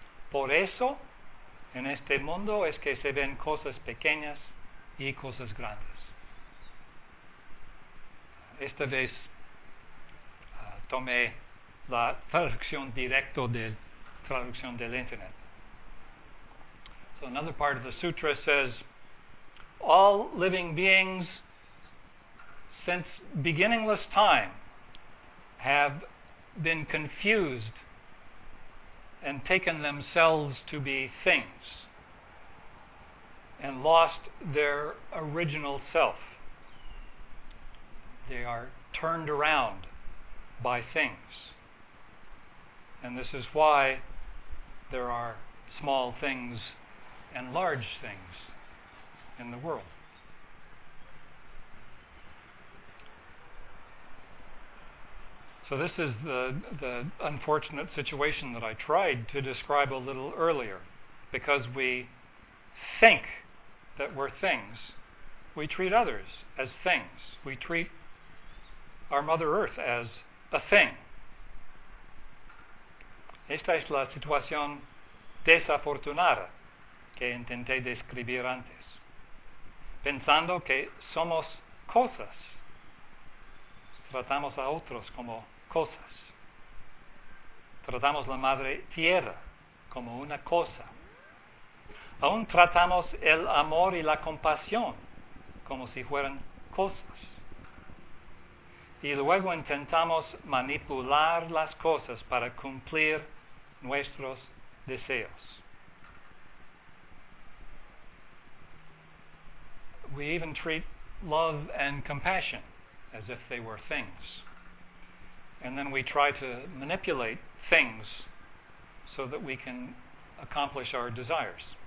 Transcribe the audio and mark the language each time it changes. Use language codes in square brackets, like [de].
[es] Por eso, en este mundo es que se ven cosas pequeñas y cosas grandes. Esta vez tomé la traducción directa de traducción del internet. [en] So another part of the sutra says, all living beings since beginningless time have been confused and taken themselves to be things and lost their original self. They are turned around by things. And this is why there are small things and large things in the world. So this is the unfortunate situation that I tried to describe a little earlier. Because we think that we're things, we treat others as things. We treat our Mother Earth as a thing. [es] Esta es la situación desafortunada que intenté describir antes, pensando que somos cosas. Tratamos a otros como cosas. Tratamos la Madre Tierra como una cosa. Aún tratamos el amor y la compasión como si fueran cosas. Y luego intentamos manipular las cosas para cumplir nuestros deseos. [en] We even treat love and compassion as if they were things. And then we try to manipulate things so that we can accomplish our desires.